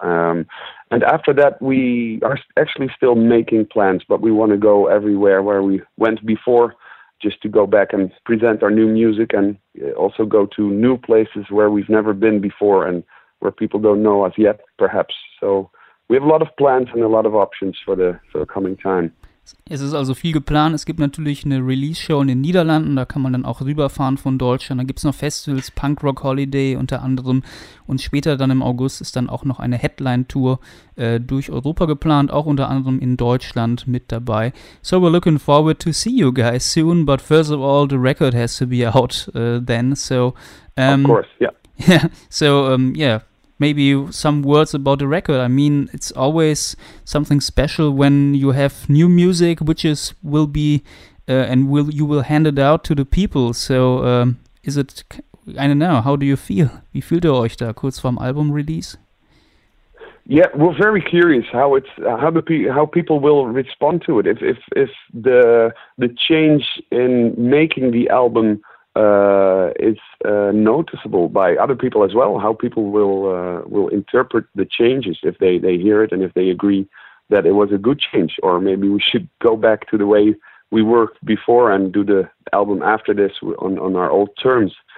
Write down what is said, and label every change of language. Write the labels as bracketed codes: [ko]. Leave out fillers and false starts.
[en] And after that we are actually still making plans, but we want to go everywhere where we went before, just to go back and present our new music and also go to new places where we've never been before and where people don't know us yet, perhaps. So we have a lot of plans and a lot of options for the coming time. [de] Es ist also viel geplant. Es gibt natürlich eine Release-Show in den Niederlanden, da kann man dann auch rüberfahren von Deutschland. Dann gibt es noch Festivals, Punk Rock Holiday unter anderem. Und später dann im August ist dann auch noch eine Headline-Tour durch Europa geplant, auch unter anderem in Deutschland mit dabei. [en] So we're looking forward to see you guys soon, but first of all, the record has to be out then. So, of course, yeah. Yeah, so, yeah. Maybe some words about the record. I mean, it's always something special when you have new music, which is will be and will you will hand it out to the people. So is it, I don't know, how do you feel? [de] Wie fühlt ihr euch da kurz vorm album release? [en] Yeah, we're very curious how people will respond to it. If the change in making the album is noticeable by other people as well, how people will interpret the changes, if they hear it and if they agree that it was a good change, or maybe we should go back to the way we worked before and do the album after this on our old terms.